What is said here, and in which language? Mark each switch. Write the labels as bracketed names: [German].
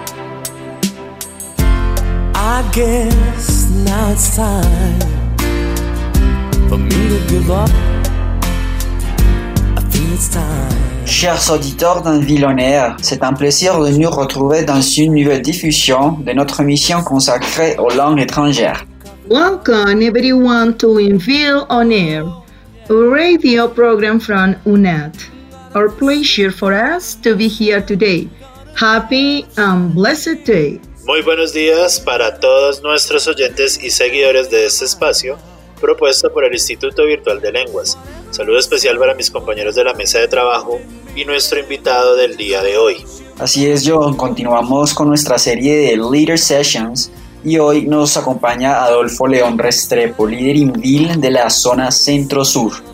[English] Sure, enjoy, discover, practice, and learn. I guess now it's time for me to give up. I think it's time. [French] Chers auditeurs d'En Ville On Air, c'est un plaisir de nous retrouver dans une nouvelle diffusion de notre mission consacrée aux langues étrangères. [English] Welcome everyone to En Ville On Air, a radio program from UNED. Our pleasure for us to be here today. Happy and blessed day. [Spanish] Muy buenos días para todos nuestros oyentes y seguidores de este espacio propuesto por el Instituto Virtual de Lenguas. Saludo especial para mis compañeros de la mesa de trabajo y nuestro invitado del día de hoy. Así es, John. Continuamos con nuestra serie de Leader Sessions y hoy nos acompaña Adolfo León Restrepo, líder INVIL de la zona centro-sur.